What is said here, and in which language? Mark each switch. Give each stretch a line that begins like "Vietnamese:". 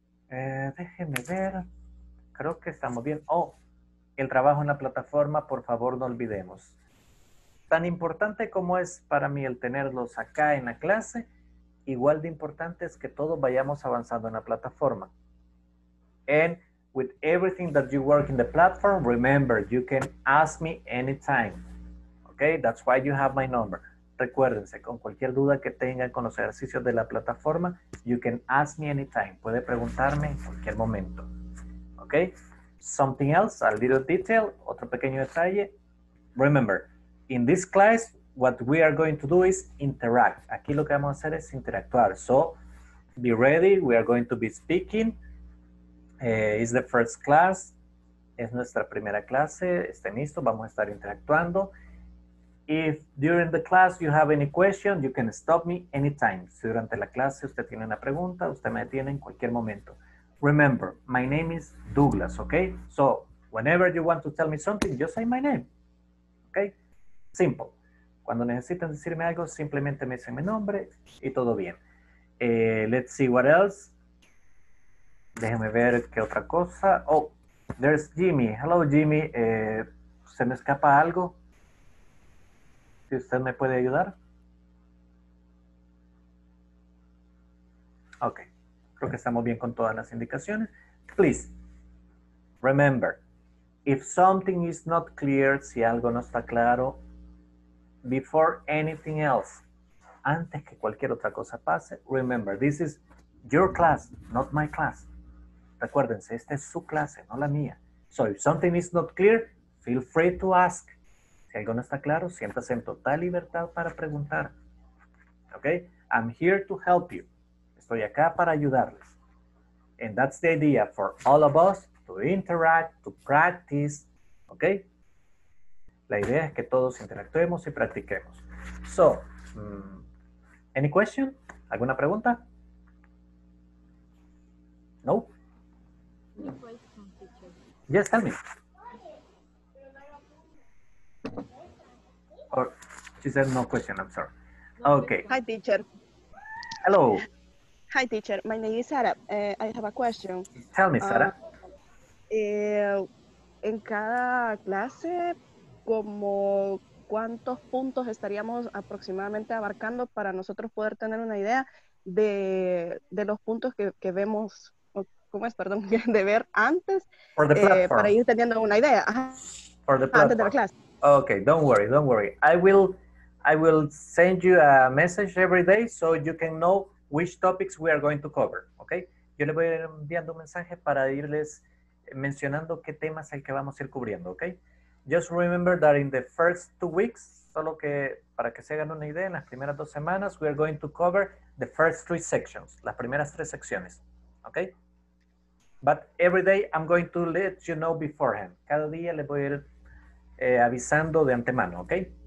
Spanish: Déjenme ver. Creo que estamos bien. Oh, el trabajo en la plataforma, por favor, no olvidemos. Tan importante como es para mí el tenerlos acá en la clase, igual de importante es que todos vayamos avanzando en la plataforma.
English: And with everything that you work in the platform, remember, you can ask me anytime. Okay, that's why you have my number.
Spanish: Recuérdense, con cualquier duda que tengan con los ejercicios de la plataforma,
English: you can ask me anytime.
Spanish: Puede preguntarme en cualquier momento.
English: Okay, something else, a little detail,
Spanish: otro pequeño detalle.
English: Remember, in this class, what we are going to do is interact.
Spanish: Aquí lo que vamos a hacer es interactuar.
English: So, be ready, we are going to be speaking. Is the first class,
Spanish: es nuestra primera clase, estén listos, vamos a estar interactuando.
English: If during the class you have any question, you can stop me anytime.
Spanish: Si durante la clase usted tiene una pregunta, usted me detiene en cualquier momento.
English: Remember, my name is Douglas, okay? So, whenever you want to tell me something, just say my name, okay? Simple.
Spanish: Cuando necesiten decirme algo, simplemente me dicen mi nombre y todo bien.
English: Let's see what else.
Spanish: Déjeme ver qué otra cosa.
English: Oh, there's Jimmy. Hello, Jimmy.
Spanish: ¿Se me escapa algo? ¿Si usted me puede ayudar?
English: Ok.
Spanish: Creo que estamos bien con todas las indicaciones.
English: Please, remember, if something is not clear,
Spanish: si algo no está claro,
English: before anything else,
Spanish: antes que cualquier otra cosa pase,
English: remember, this is your class, not my class.
Spanish: Recuérdense, esta es su clase, no la mía.
English: So, if something is not clear, feel free to ask.
Spanish: Si algo no está claro, siéntase en total libertad para preguntar.
English: Okay? I'm here to help you.
Spanish: Estoy acá para ayudarles.
English: And that's the idea for all of us, to interact, to practice. Okay?
Spanish: La idea es que todos interactuemos y practiquemos.
English: So, any question?
Spanish: ¿Alguna pregunta?
English: No. Yes, tell me. Or she said no question, I'm sorry. Okay. Hi, teacher. Hello. Hi, teacher. My name is Sara. I have a question. Tell me, Sara.
Spanish: En cada clase, ¿como cuántos puntos estaríamos aproximadamente abarcando para nosotros poder tener una idea de los puntos que vemos? ¿Cómo es? Perdón, de ver antes para ir teniendo una idea
English: for the platform.
Spanish: Antes de la clase.
English: Okay, don't worry, I will I will send you a message every day so you can know which topics we are going to cover, okay?
Spanish: Yo le voy enviando un mensaje para irles mencionando qué temas hay que vamos a ir cubriendo, okay?
English: Just remember that in the first 2 weeks,
Spanish: solo que para que se hagan una idea, en las primeras 2 semanas,
English: we are going to cover the first 3 sections,
Spanish: las primeras 3 secciones,
English: okay? But every day I'm going to let you know beforehand.
Spanish: Cada día le voy a ir avisando de antemano, okay?